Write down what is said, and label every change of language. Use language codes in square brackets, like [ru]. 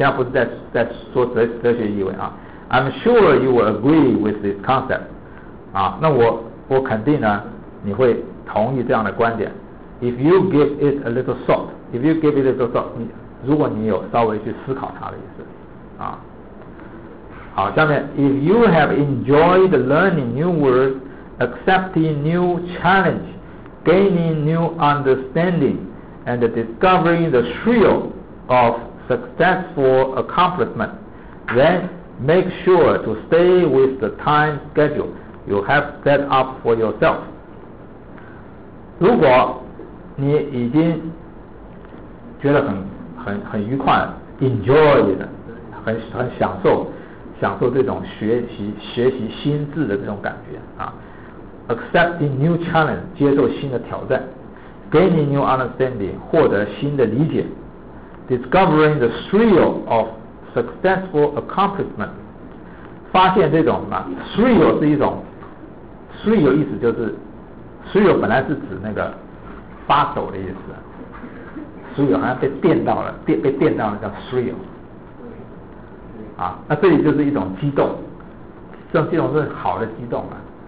[zh] 现在不是在说哲学意味啊。 [en] I'm sure you will agree with this concept。 [zh] 啊，那我肯定呢，你会同意这样的观点。 [en] If you give it a little thought， if you give it a little thought， [zh] 如果你有稍微去思考它的意思，啊，好，下面 [en] If you have enjoyed learning new words。 Accepting new challenge, gaining new understanding, and discovering the thrill of successful accomplishment, then make sure to stay with the time schedule you have set up for yourself. [zh] 如果你已经觉得很愉快 ，enjoy 的，很享受这种学习心智的这种感觉啊。 [en] Accepting new challenge， [zh] 接受新的挑战 ； [en] gaining new understanding， [zh] 获得新的理解 ； [en] discovering the thrill of successful accomplishment， [zh] 发现这种啊 ，thrill 是一种 ，thrill 意思就是 ，thrill 本来是指那个发抖的意思 ，thrill 好像被电到了，被电到了叫 thrill， 啊，那这里就是一种激动，这种是好的激动啊。